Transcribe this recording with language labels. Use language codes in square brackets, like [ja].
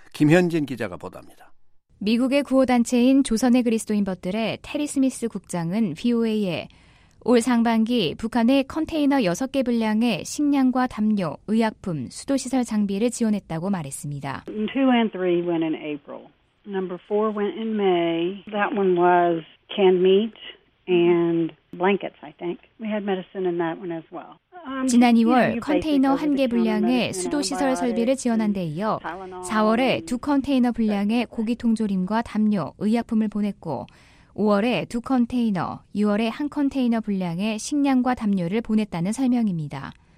[ko] 김현진 기자가 보도합니다. 미국의 구호단체인 조선의 그리스도인 벗들의 테리 스미스 국장은 VOA에 올 상반기 북한에 컨테이너 6개 분량의 식량과 담요, 의약품, 수도시설 장비를 지원했다고 말했습니다. [en] 2 and 3 went in April. Number 4 went in May. That one was canned meat and blankets, I think. We had medicine in that one as well. [ko] 지난 2월 컨테이너 1개 분량의 수도시설 설비를 지원한 데 이어 4월에 두 컨테이너 분량의 고기 통조림과 담요, 의약품을 보냈고 5월에 두 컨테이너, 6월에 한 컨테이너 분량의 식량과 담요를 보냈다는 설명입니다.